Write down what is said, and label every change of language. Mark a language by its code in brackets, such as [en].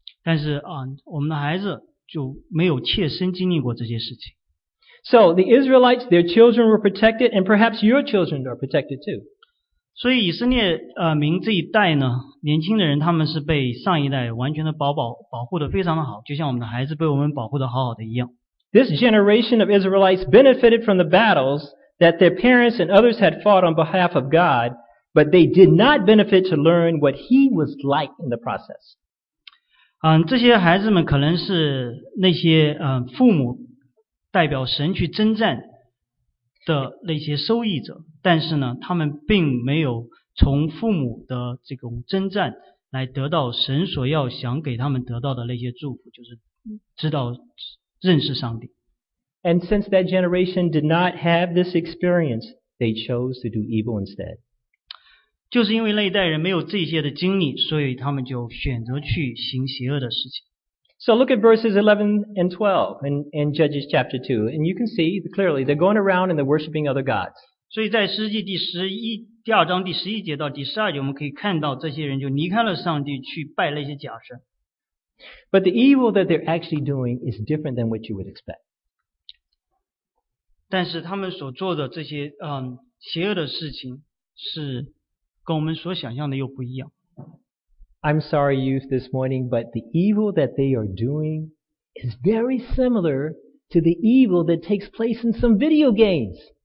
[zh] 但是我们的孩子就没有切身经历过这些事情。 [en] So the Israelites, their children were protected, and perhaps your children are protected too. [zh] 所以以色列民这一代呢，年轻的人他们是被上一代完全的保护的非常的好，就像我们的孩子被我们保护的好好的一样。 [en] This generation of Israelites benefited from the battles that their parents and others had fought on behalf of God, but they did not benefit to learn what He was like in the process. [zh] 这些孩子们可能是那些父母代表神去征战的那些受益者，但是呢，他们并没有从父母的这种征战来得到神所要想给他们得到的那些祝福，就是知道认识上帝。 [en] And since that generation did not have this experience, they chose to do evil instead. [zh] 就是因为那一代人没有这些的经历，所以他们就选择去行邪恶的事情。 [en] So look at verses 11 and 12 in Judges chapter 2, and you can see clearly they're going around and they're worshiping other gods. [zh] 所以在诗记第二章第十一节到第十二节，我们可以看到这些人就离开了上帝，去拜那些假神。 [en] But the evil that they're actually doing is different than what you would expect. [zh] 但是他们所做的这些邪恶的事情是跟我们所想象的又不一样。 [en] I'm sorry, youth, this morning, but the evil that they are doing is very similar to the evil that takes place in some video games.